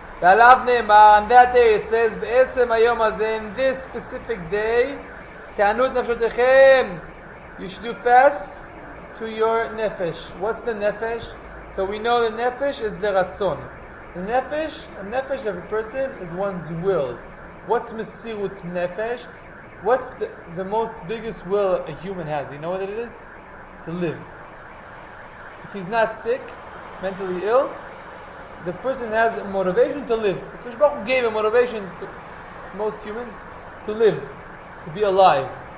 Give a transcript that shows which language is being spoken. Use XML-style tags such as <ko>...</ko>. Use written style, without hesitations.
<he>ועליו נאמר,</he> <en>on that day it says,</en> <he>בעצם היום הזה,</he> <en>in this specific day,</en> <he>תענו את נפשותיכם.</he> <en>You should do fast to your nefesh. What's the nefesh? So we know the nefesh is the רצון. The nefesh of a person is one's will. What's מסירות נפש? What's the most biggest will a human has? You know what it is? To live. If he's not sick, mentally ill, the person has a motivation to live. HaKadosh Baruch Hu gave a motivation to most humans to live, to be alive.</en>